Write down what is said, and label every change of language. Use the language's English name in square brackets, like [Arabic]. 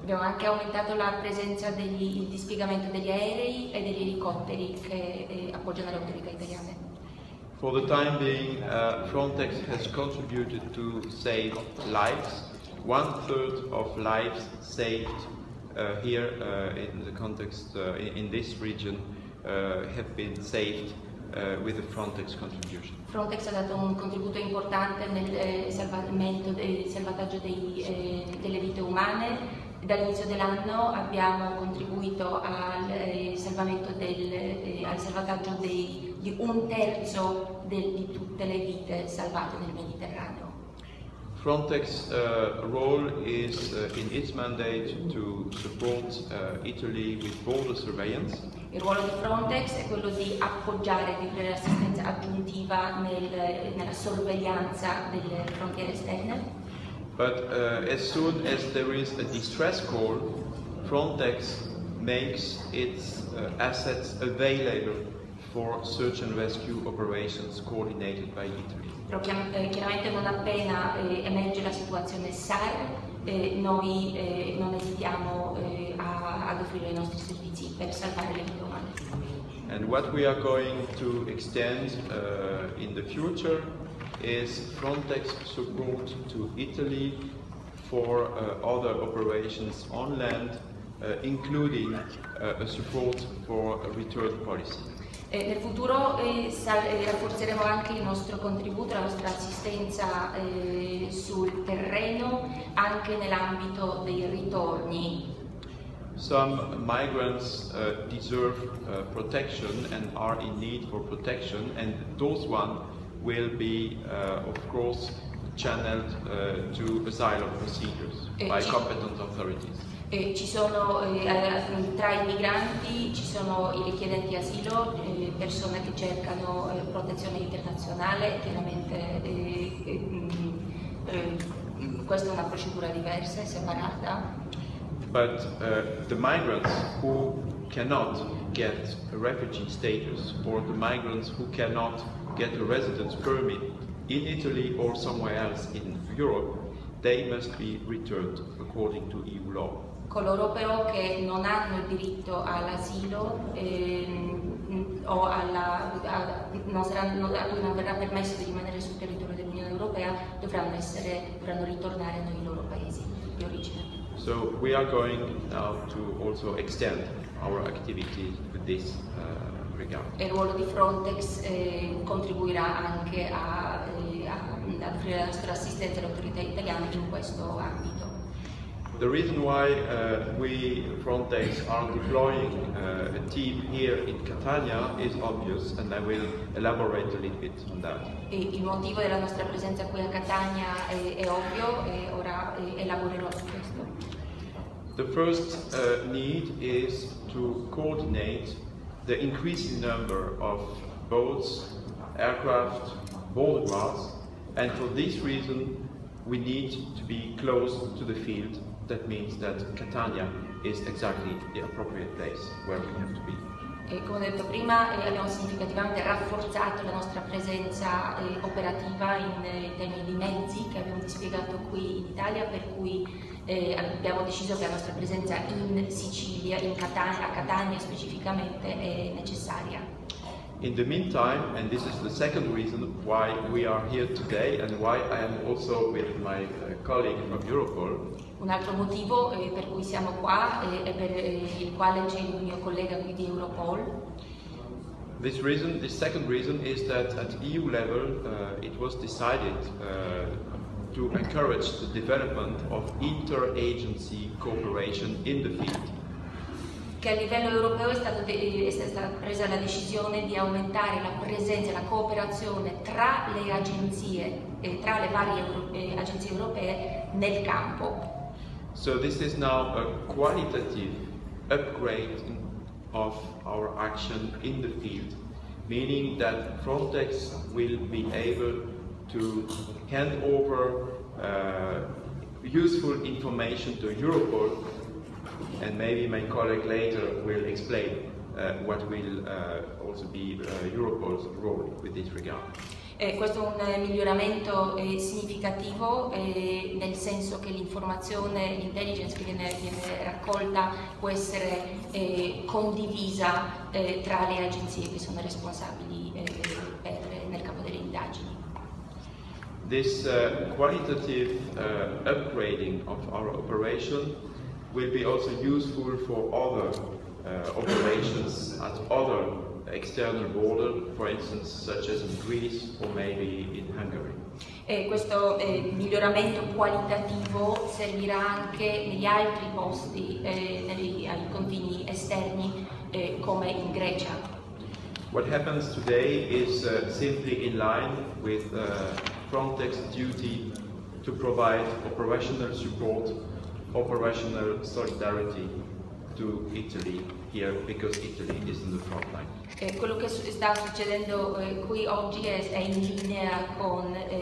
[Italian] Abbiamo anche aumentato la presenza del dispiegamento degli aerei e degli elicotteri che appoggiano le autorità italiane. [English] For the time being, Frontex has contributed to save lives, one third of lives saved here in the context in this region have been saved with the Frontex contribution. [Italian] Frontex ha dato un contributo importante nel salvamento del salvataggio delle vite umane. Dall'inizio dell'anno abbiamo contribuito al salvamento al salvataggio di un terzo di tutte le vite salvate nel Mediterraneo. [English] Frontex role is in its mandate to support Italy with border surveillance. [Italian] Il ruolo di Frontex è quello di appoggiare e di offrire assistenza aggiuntiva nella sorveglianza delle frontiere esterne. [English] But as soon as there is a distress call, Frontex makes its assets available for search and rescue operations coordinated by Italy. [Italian] Chiaramente non appena emerge la situazione SAR, noi non esitiamo ad offrire i nostri servizi per salvare le vite umane. [English] And what we are going to extend in the future is Frontex support to Italy for other operations on land, including a support for a return policy. [Italian] Nel futuro rafforzeremo anche il nostro contributo, la nostra assistenza sul terreno, anche nell'ambito dei ritorni. [English] Some migrants deserve protection and are in need for protection, and those ones will be, of course, channeled to asylum procedures by competent authorities. [Italian] Ci sono tra i migranti, ci sono i richiedenti asilo, persone che cercano protezione internazionale, chiaramente questa è una procedura diversa, separata. [English] But the migrants who cannot get a refugee status, or the migrants who cannot get a residence permit in Italy or somewhere else in Europe, they must be returned according to EU law. [Italian] Coloro però che non hanno il diritto all'asilo o alla non verrà permesso di rimanere sul territorio dell'Unione Europea dovranno ritornare nei loro paesi di origine. [English] So we are going now to also extend our activity with this regard. [Italian] Il ruolo di Frontex contribuirà anche a offrire la nostra assistenza alle autorità italiane in questo ambito. [English] The reason why we, Frontex, are deploying a team here in Catania is obvious, and I will elaborate a little bit on that. [Italian] Il motivo della nostra presenza qui a Catania è ovvio, e ora elaborerò su questo. [English] The first need is to coordinate the increasing number of boats, aircraft, border guards, and for this reason we need to be close to the field. That means that Catania is exactly the appropriate place where we have to be. [Italian] E come detto prima, abbiamo significativamente rafforzato la nostra presenza operativa in termini di mezzi che abbiamo dispiegato qui in Italia, per cui abbiamo deciso che la nostra presenza in Sicilia, in Catania, a Catania specificamente, è necessaria. [English] In the meantime, and this is the second reason why we are here today and why I am also with my colleague from Europol. [Italian] Un altro motivo per cui siamo qua e per il quale c'è il mio collega qui di Europol. [English] This reason, this second reason, is that at EU level it was decided to encourage the development of inter-agency cooperation in the field. [Italian] Che a livello europeo è stata presa la decisione di aumentare la presenza e la cooperazione tra le agenzie, tra le varie agenzie europee nel campo. [English] So this is now a qualitative upgrade of our action in the field, meaning that Frontex will be able to hand over useful information to Europol. And maybe my colleague later will explain what will also be Europol's role with this regard. [Italian] Questo è un miglioramento significativo, nel senso che l'informazione, l'intelligence che viene raccolta può essere condivisa tra le agenzie che sono responsabili nel campo delle indagini. [English] This qualitative upgrading of our operation will be also useful for other operations at other external border, for instance, such as in Greece or maybe in Hungary. [Italian] Questo miglioramento qualitativo servirà anche negli altri posti, ai confini esterni, come in Grecia. [English] What happens today is simply in line with Frontex duty to provide operational support, operational solidarity to Italy here, because Italy is in the front line. [Italian] Quello che sta succedendo qui oggi è in linea con